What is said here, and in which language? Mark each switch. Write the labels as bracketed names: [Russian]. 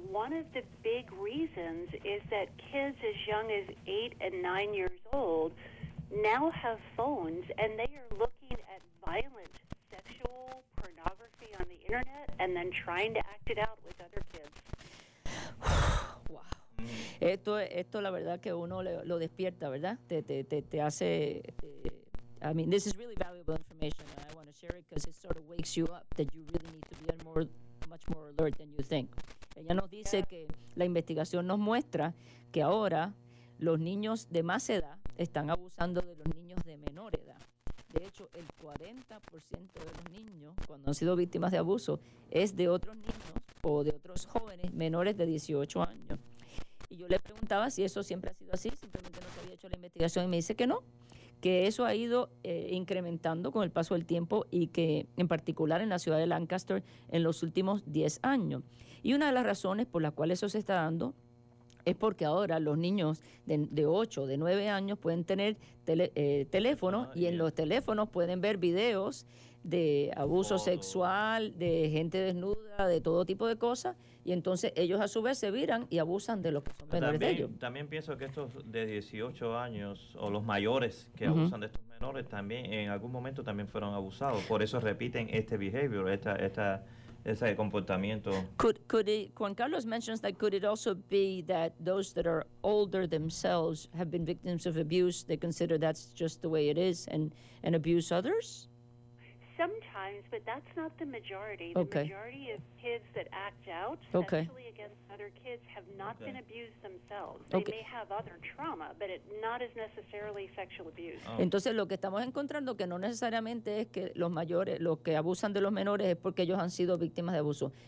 [English] One of the big reasons is that kids as young as 8 and 9 years old now have phones, and they are looking at violent sexual pornography on the internet and then trying to act it out with other kids. [Spanish] Esto la verdad que uno lo despierta, ¿verdad? Te hace [English] I mean, this is really valuable information and I want to share it because it sort of wakes you up that you really need to be much more alert than you think. [Spanish] Ella nos dice que la investigación nos muestra que ahora los niños de más edad están abusando de los niños de menor edad. De hecho, el 40% de los niños cuando han sido víctimas de abuso es de otros niños o de otros jóvenes menores de 18 años. Y yo le preguntaba si eso siempre ha sido así, simplemente no se había hecho la investigación, y me dice que no, que eso ha ido incrementando con el paso del tiempo y que en particular en la ciudad de Lancaster en los últimos 10 años. Y una de las razones por las cuales eso se está dando es porque ahora los niños de 8, de 9 años pueden tener teléfonos y en los teléfonos pueden ver videos de abuso sexual, de gente desnuda, de todo tipo de cosas, y entonces ellos a su vez se viran y abusan de los que son menores también, de ellos. También pienso que estos de 18 años o los mayores que uh-huh. abusan de estos menores también en algún momento también fueron abusados, por eso repiten este behavior, ese comportamiento. [English] Juan Carlos mentions that could it also be that those that are older themselves have been victims of abuse, they consider that's just the way it is and abuse others? Sometimes, but that's not the majority. Okay. The majority of kids that act out sexually okay. against other kids have not okay. been abused themselves. They okay. may have other trauma, but it not is necessarily sexual abuse. Oh. [Spanish] Entonces, lo que estamos encontrando que no necesariamente es que los mayores, los que abusan de los menores es porque ellos han sido víctimas de abuso.